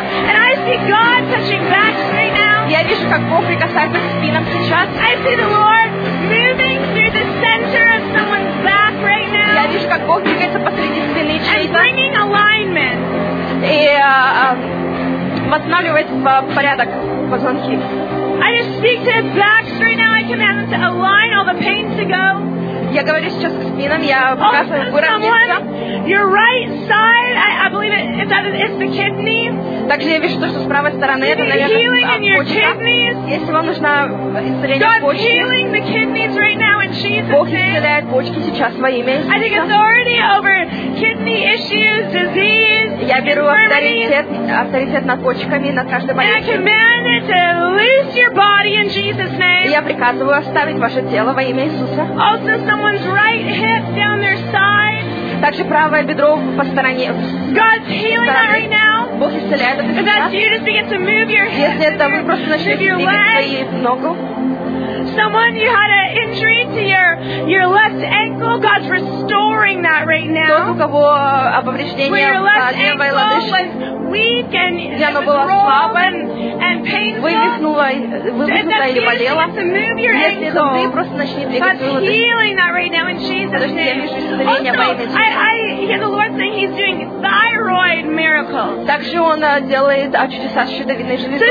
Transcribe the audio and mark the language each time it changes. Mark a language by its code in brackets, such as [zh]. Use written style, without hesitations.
[en] And I see God touching backs right now. [ru] Я вижу, как Бог прикасается к спинам сейчас. [en] I see the Lord moving through the center of someone's back right now. [ru] Я вижу, как Бог двигается посреди спины чьей-то. [en] And bringing alignment. [ru] И восстанавливает порядок. [en] I just speak to his backs right now. I command them to align all the pain to go. [ru] Я говорю сейчас к спинам, я показываю выровняться. [en] Your right side, I believe it, that is the kidney. [ru] Также я вижу то, что с правой стороны это, наверное, почка. Если вам нужно исцеление почки, [en] God's healing the kidneys right now in Jesus' name. [ru] Бог исцеляет почки сейчас во имя Иисуса. [en] I take authority over kidney issues, disease. [ru] Я беру авторитет над почками, над каждой болезнью. [en] And I command it to loose your body in Jesus' name. [ru] Я приказываю оставить ваше тело во имя Иисуса. [en] Also, someone's right hip down their side. [ru] Также правое бедро по стороне. [en] God's healing that right now. [ru] Бог исцеляет это сейчас. [en] And that's you just begin to move your hips. [ru] Если это вы просто начнете двигать свои ногу. [en] Someone, you had an injury to your left ankle. God's restoring that right now. [ru] Тот, у кого повреждение левой лодыжки. [en] Where your left ankle was weak and it was wrong and painful. [ru] Вывихнула или болела. [en] And that's to move your ankle. God's healing that right now in Jesus' name. Also, the Lord saying He's doing thyroid miracles. [ru] Также Он делает чудеса с щитовидной железой.